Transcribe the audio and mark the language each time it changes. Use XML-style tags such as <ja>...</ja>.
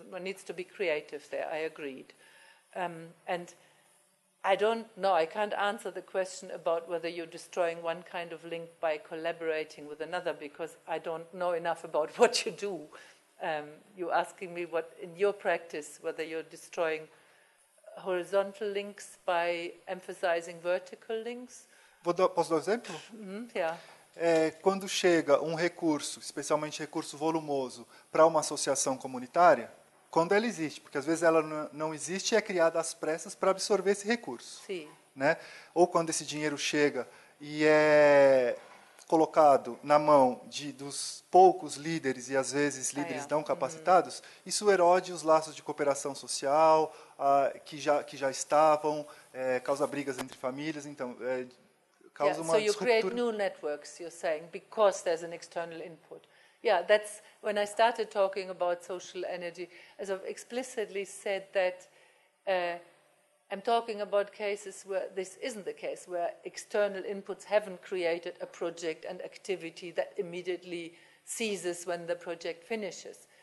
<en>One needs to be creative there, I agreed. And I don't know, I can't answer the question about whether you're destroying one kind of link by collaborating with another, because I don't know enough about what you do. You're asking me what, in your practice, whether you're destroying horizontal links by emphasizing vertical links.</en> <pt>Posso dar um exemplo?</pt> <en>Yeah.</en> <pt>Quando chega um recurso, especialmente recurso volumoso, para uma associação comunitária, quando ela existe, porque às vezes ela não existe e é criada às pressas para absorver esse recurso. Sim. Né? Ou quando esse dinheiro chega e é colocado na mão dos poucos líderes, e às vezes líderes não capacitados, isso erode os laços de cooperação social, que já estavam, causa brigas entre famílias, então... causa uma</pt> <en>disruptura. So you create new networks, you're saying, because there's an external input. Yeah, that's when I started talking about social energy, as I've explicitly said that I'm talking about cases where this isn't the case, where external inputs haven't created a project and activity that immediately ceases when the project finishes.</en>